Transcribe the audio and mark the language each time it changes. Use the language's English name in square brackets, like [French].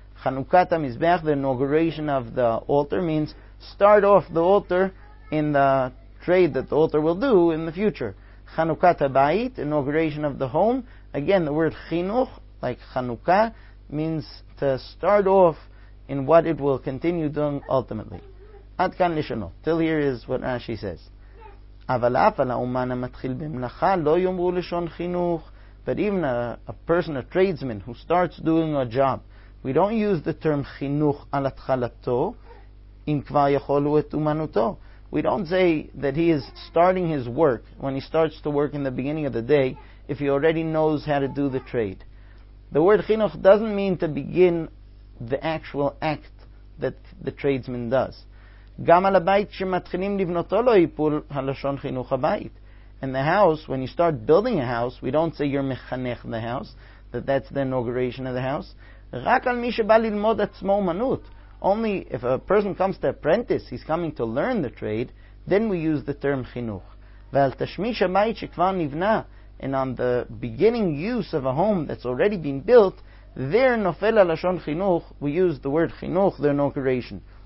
[Hebrew] Chanukat ha-mizbeach, [English] the inauguration of the altar, means start off the altar in the trade that the altar will do in the future. [Hebrew] Chanukat ha-bayit, [English] inauguration of the home. Again, the word chinuch, like chanukah, means to start off in what it will continue doing ultimately. [Hebrew] Ad kan lishono. [English] Till here is what Rashi says. [Hebrew] אבל אף על האומן המתחיל במלאכה לא יאמרו לשון חינוך. [English] But even a person, a tradesman who starts doing a job, we don't use the term [Hebrew] חינוך על התחלתו, אם כבר יכולו את אומנותו. [English] We don't say that he is starting his work when he starts to work in the beginning of the day if he already knows how to do the trade. The word חינוך doesn't mean to begin the actual act that the tradesman does. [Hebrew] גם על הבית שמתחילים לבנותו לא ייפול הלשון חינוך הבית. [English] And the house, when you start building a house, we don't say you're מחנך the house, that's the inauguration of the house. [Hebrew] רק על מי שבא ללמוד עצמו אומנות. [English] Only if a person comes to apprentice, he's coming to learn the trade, then we use the term חינוך. [Hebrew] ועל תשמיש הבית שכבר נבנה, [English] and on the beginning use of a home that's already been built, there [Hebrew] נופל הלשון חינוך, [English] we use the word חינוך, the inauguration.